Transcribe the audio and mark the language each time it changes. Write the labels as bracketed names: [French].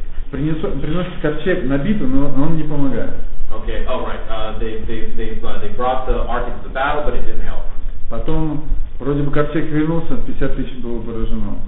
[Russian] Приносит ковчег на битву, но он не помогает. [English] Okay, all right. They brought the ark into the battle, but it didn't help. [Russian] Потом вроде бы ковчег вернулся, 50 тысяч было поражено.